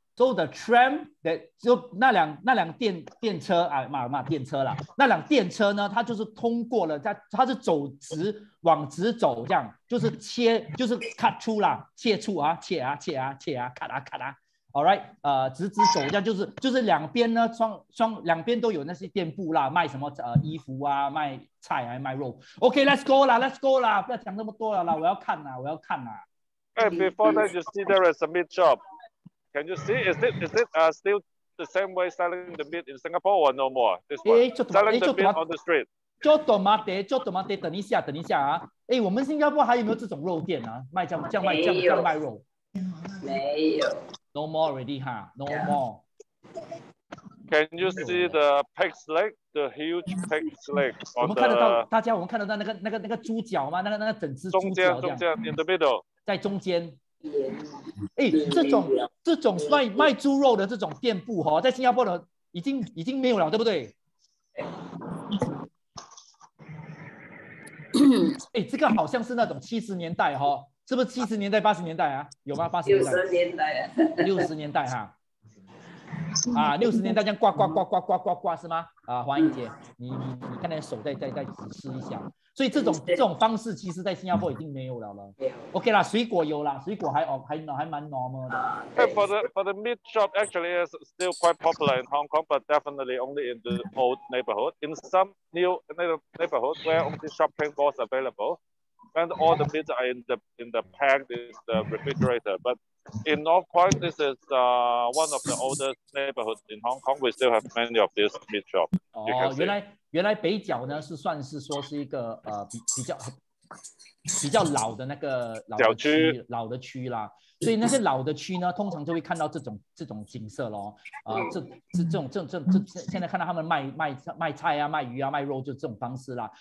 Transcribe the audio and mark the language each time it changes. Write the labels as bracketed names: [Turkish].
[Chinese] So the tram that 就那辆电车啊，马电车啦，那辆电车呢，它就是通过了，它是走直往直走，这样就是切，就是 cut 出啦，切出啊，切啊 ，cut 啊 ，cut 啊 ， [English] all right， [Chinese] 直走，这样就是两边呢，双两边都有那些店铺啦，卖什么衣服啊，卖菜还卖肉。 OK，let's、okay, go 啦 ， [English] let's go [Chinese] 啦，不要讲那么多了啦，我要看啦。 [English] Hey, before that, you see there is a meat shop. Can you see? Is it still the same way selling the meat in Singapore or no more? This one selling the meat on the street. [Chinese] 就多马爹，等一下啊！哎，我们新加坡还有没有这种肉店啊？卖酱卖肉？没有。 [English] No more already, huh? No more. Can you see the pig's leg? The huge pig's leg. [Chinese] 我们看得到，大家，我们看得到那个猪脚吗？那个整只猪脚这样。中间 [English] ，in the middle， [Chinese] 在中间。哎，这种卖猪肉的这种店铺哈，在新加坡的已经没有了，对不对？哎，这个好像是那种七十年代哈，是不是七十年代八十年代啊？有吗？八十年代。六十年代。六十年代哈。啊，六十年代这样呱呱呱是吗？啊，黄英姐，你看那手再指示一下。所以这种方式其实在新加坡已经没有了了。没有。 OK 啦，水果有啦，水果还蛮 normal 的。 [English] For the meat shop actually is still quite popular in Hong Kong, but definitely only in the old neighborhood. In some new neighborhood where only shopping malls available, and all the meat are in the packed in the refrigerator, but in North Point, this is one of the oldest neighborhoods in Hong Kong. We still have many of these meat shops. [Chinese] 原来北角呢是算是说是一个比较老的那个老的区啦，所以那些老的区呢，通常就会看到这种景色喽。这种现在看到他们卖菜啊，卖鱼啊，卖肉，就这种方式啦。